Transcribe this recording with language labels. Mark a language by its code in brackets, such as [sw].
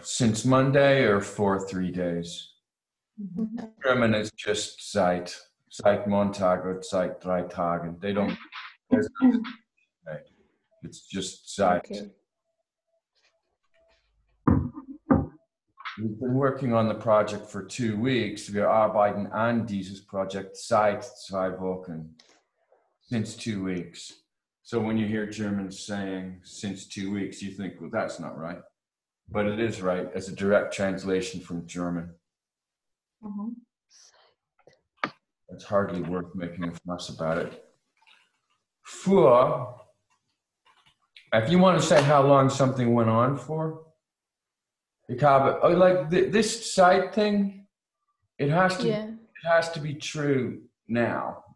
[en] Since Monday or for 3 days. Mm-hmm. German is just Zeit. [de] Zeit Montag [en] or [de] Zeit drei Tagen. [en] They don't. It's just Zeit. Okay. We've been working on the project for 2 weeks. [de] Wir arbeiten an dieses Projekt seit zwei Wochen. [en] Since 2 weeks. So when you hear Germans saying since 2 weeks, you think, well, that's not right. But it is right as a direct translation from German. Mm-hmm. It's hardly worth making a fuss about it. Für, if you want to say how long something went on for, [de] ich habe, [en] like this side thing, it has to be true now.